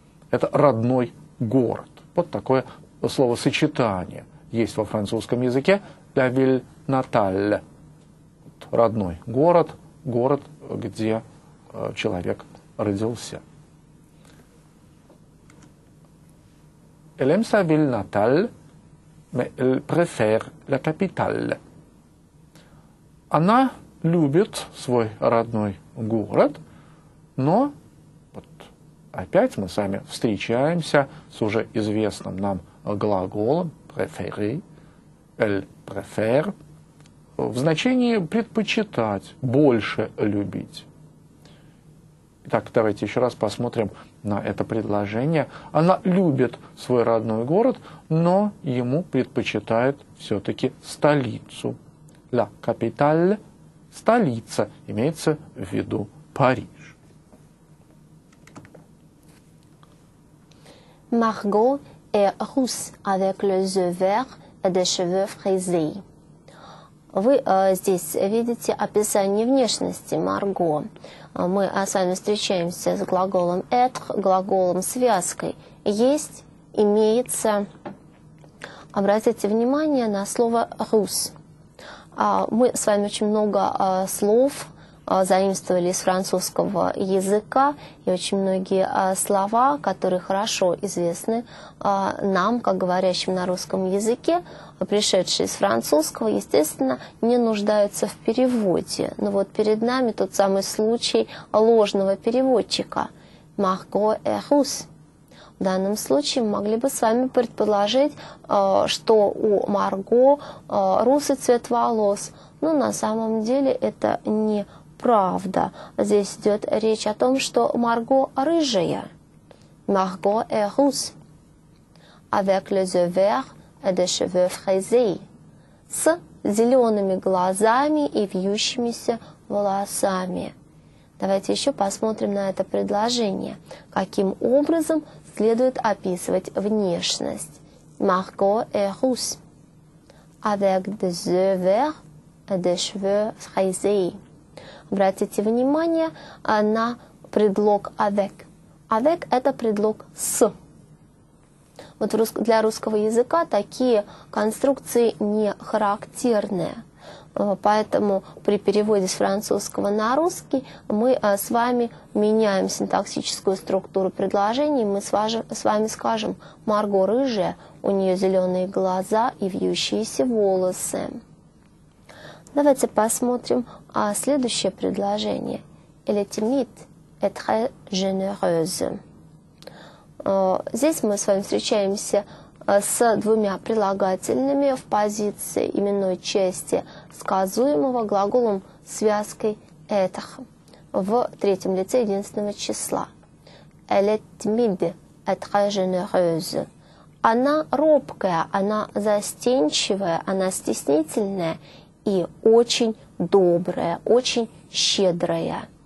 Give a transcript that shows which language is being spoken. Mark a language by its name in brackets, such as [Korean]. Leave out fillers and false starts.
[Russian] Это родной город. Вот такое словосочетание есть во французском языке. [French] «La ville natale» [Russian] – родной город, город, где человек родился. [French] «Elle aime sa ville natale, mais elle préfère la capitale». [Russian] Она любит свой родной город, но вот опять мы с вами встречаемся с уже известным нам глаголом «préférer», [French] «elle préfère», [Russian] в значении «предпочитать», «больше любить». Итак, давайте еще раз посмотрим на это предложение. Она любит свой родной город, но ему предпочитает все-таки столицу. [French] «La capitale» [Russian] столица, имеется в виду Париж. [French] Марго est rousse avec les yeux verts et des cheveux frisés. [Russian] Вы здесь видите описание внешности Марго. Мы с вами встречаемся с глаголом être, глаголом связкой. Есть, имеется. Обратите внимание на слово rousse. Мы с вами очень много слов заимствовали из французского языка, и очень многие слова, которые хорошо известны нам, как говорящим на русском языке, пришедшие из французского, естественно, не нуждаются в переводе. Но вот перед нами тот самый случай ложного переводчика. «Марго эхус». В данном случае мы могли бы с вами предположить, что у Марго русый цвет волос. Но на самом деле это не правда. Здесь идет речь о том, что Марго рыжая. [French] Марго est rousse. Avec les yeux verts et des cheveux frisés. [Russian] С зелеными глазами и вьющимися волосами. Давайте еще посмотрим на это предложение. Каким образом следует описывать внешность. [French] Marco est rousse. Avec des yeux verts et des cheveux frisés. [Russian] Обратите внимание на предлог avec. Avec – это предлог с. Вот для русского языка такие конструкции не характерны. Поэтому при переводе с французского на русский мы с вами меняем синтаксическую структуру предложений. Мы с вами скажем «Марго рыжая, у нее зеленые глаза и вьющиеся волосы». Давайте посмотрим следующее предложение. [French] «Elle est timide et très généreuse». [Russian] Здесь мы с вами встречаемся с двумя прилагательными в позиции именной части сказуемого глаголом связкой «этах» в третьем лице единственного числа. Она робкая, она застенчивая, она стеснительная и очень добрая, очень щедрая.